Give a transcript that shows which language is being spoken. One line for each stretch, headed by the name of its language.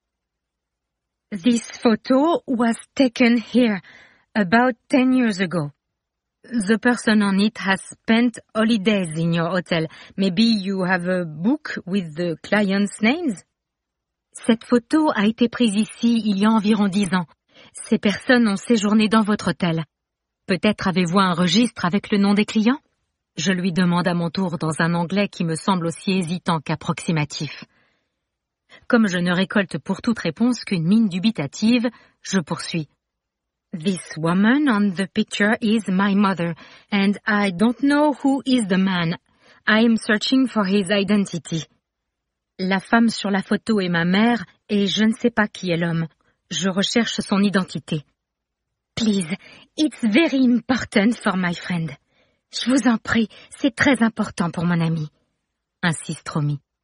English: « This photo was taken here about 10 years ago. The person on it has spent holidays in your hotel. Maybe you have a book with the client's names ?»«
French: Cette photo a été prise ici il y a environ 10 ans. Ces personnes ont séjourné dans votre hôtel. Peut-être avez-vous un registre avec le nom des clients ?» Je lui demande à mon tour dans un anglais qui me semble aussi hésitant qu'approximatif. Comme je ne récolte pour toute réponse qu'une mine dubitative, je poursuis.
English: This woman on the picture is my mother, and I don't know who is the man. I am searching for his identity.
French: La femme sur la photo est ma mère, et je ne sais pas qui est l'homme. Je recherche son identité.
English: Please, it's very important for my friend.
French: Je vous en prie, c'est très important pour mon ami. Insiste Romy.